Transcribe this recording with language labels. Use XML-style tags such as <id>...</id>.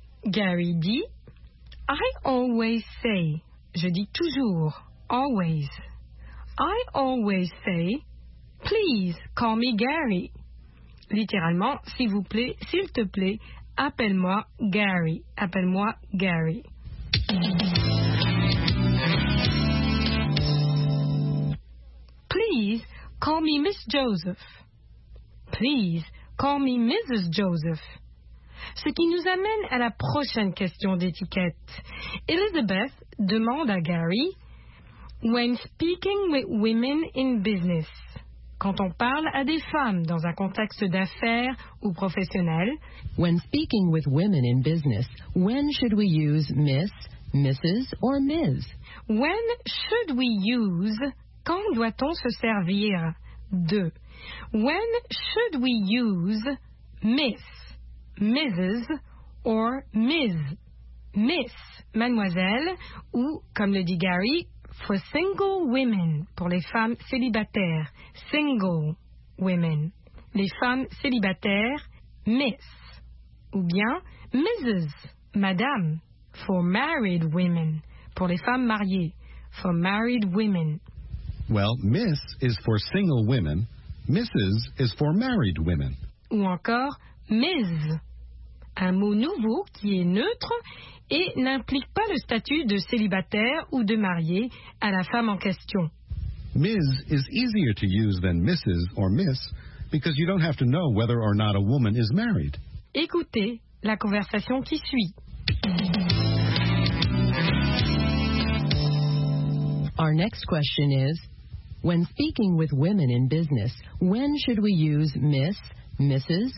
<fr>Gary dit,</fr> <en>I always say,</en> <fr>je dis toujours,</fr> <en>always. I always say, please call me Gary.</en> <fr>Littéralement, s'il te plaît, appelle-moi Gary. Appelle-moi Gary.</fr> <en>Please call me Miss Joseph. Please call me Mrs. Joseph.</en> <fr>Ce qui nous amène à la prochaine question d'étiquette. Elizabeth demande à Gary,</fr> <en>when speaking with women in business,</en> <fr>quand on parle à des femmes dans un contexte d'affaires ou professionnel,</fr> <en>when speaking with women in business, when should we use Miss, Mrs. or Ms? When should we use,</en> <fr>quand doit-on se servir de?</fr> <en>When should we use Miss, Mrs. or Ms?</en> <fr>Miss, mademoiselle, ou comme le dit Gary,</fr> <en>for single women,</en> <fr>pour les femmes célibataires.</fr> <en>Single women,</en> <fr>les femmes célibataires, miss. Ou bien, Mrs., madame,</fr> <en>for married women,</en> <fr>pour les femmes mariées,</fr> <en>for married women. Well, miss is for single women, Mrs. is for married women.</en> <fr>Ou encore, Ms., un mot nouveau qui est neutre et n'implique pas le statut de célibataire ou de marié à la femme en question.</fr> <en>Ms. is easier to use than Mrs. or Miss because you don't have to know whether or not a woman is married.</en> <fr>Écoutez la conversation qui suit.</fr> <en>Our next question is, when speaking with women in business, when should we use Miss, Mrs.</en>